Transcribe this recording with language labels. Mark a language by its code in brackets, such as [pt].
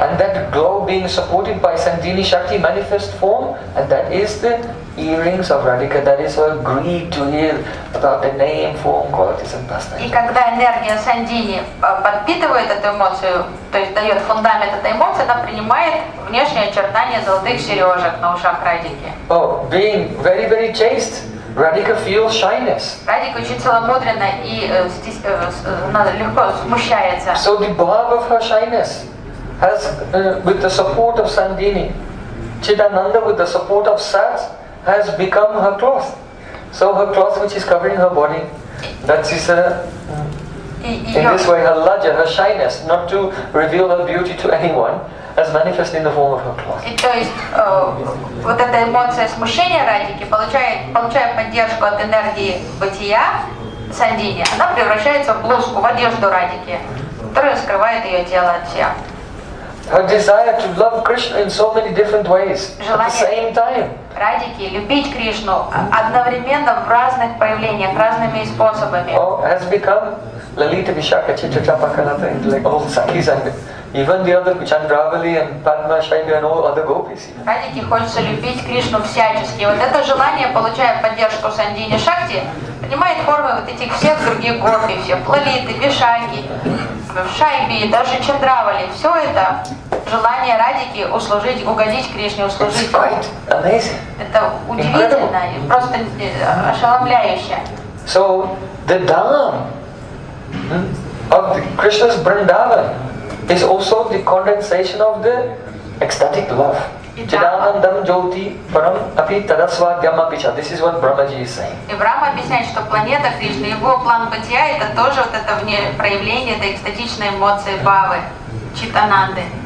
[en] And that glow being supported by Sandini Shakti manifest form, and that is the earrings of Radhika, that is her greed to hear about the name, form, qualities and pastimes. [ru] И когда энергия Сандини подпитывает эту эмоцию, то есть дает фундамент этой эмоции, она принимает внешние очертания золотых сережек на ушах Радики. [en] Oh, being very, very chaste, Radhika feels shyness. [ru] Радика очень целомудрена и легко смущается. [en] So the bulb of her shyness has, with the support of Sandini, Chidananda, with the support of Sat, has become her cloth. So her cloth, which is covering her body, that is her. In this way, her lajja, her shyness, not to reveal her beauty to anyone, as manifest in the form of her cloth. [ru] И то есть вот эта эмоция смущения Радики, получая поддержку от энергии бытия Сандини, она превращается в блузку, в одежду Радики, которая скрывает ее тело от всех. [en] Her desire to love Krishna in so many different ways [ru] Желание [en] at the same time. [ru] Радики любить Кришну одновременно в разных проявлениях, разными способами. [en] Oh, has become Lalita Vishaka Chitrachapakalata, like all Sakis and even the other Chandravali and Padma Shaiva and all other gopis. [ru] Радики хочется любить Кришну всячески. Вот это желание, получая поддержку Сандини Шакти, принимает формы вот этих всех других гопи, всех Лалиты, Вишаки, Шайби, даже Чандравали. Все это желание Радики услужить, угодить Кришне, услужить. [en] It's quite amazing. [ru] Это удивительно, [en] incredible. [ru] Просто ошеломляюще. [en] So the dam of the Krishna's Vrindavan is also the condensation of the ecstatic love. [sa] Chidanandam jyoti param api tadasvadyam apicha. [en] This is what Brahmaji is saying. [ru] И Брахма объясняет, что планета Кришна, его план бытия, это тоже вот это вне проявление этой экстатичной эмоции бхавы, читананды.